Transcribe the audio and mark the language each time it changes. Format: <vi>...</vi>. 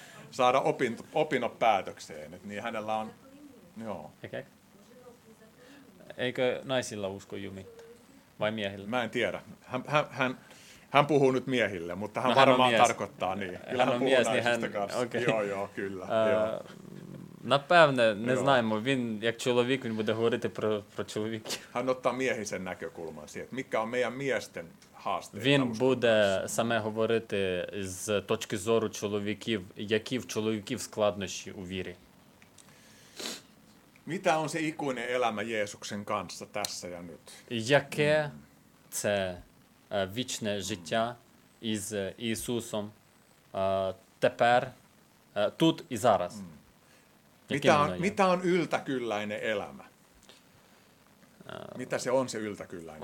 <fi>Saada opinnot päätökseen, et niin hänellä on, joo. Okay. Eikö naisilla usko jumitta? Vai miehillä? Mä en tiedä. Hän puhuu nyt miehille, mutta hän varmaan tarkoittaa niin. Kyllä hän on mies, niin hän... Kanssa. Okay. Joo, kyllä.</fi> <uk>Напевне, не знаємо. Він, як чоловік, він буде говорити про чоловіків.</uk> <fi>Hän ottaa miehisen näkökulman siihen, mikä on meidän miesten haaste.</fi> <uk>Він буде саме говорити з точки зору чоловіків, які в чоловіків складнощі у вірі.</uk> <fi>Mitä on se ikuinen elämä Jeesuksen kanssa tässä ja nyt?</fi> <uk>Яке це вічне життя із Ісусом тепер, тут і зараз?</uk> <fi>Mitä on yltäkylläinen elämä? Mitä se on se yltäkylläinen</fi>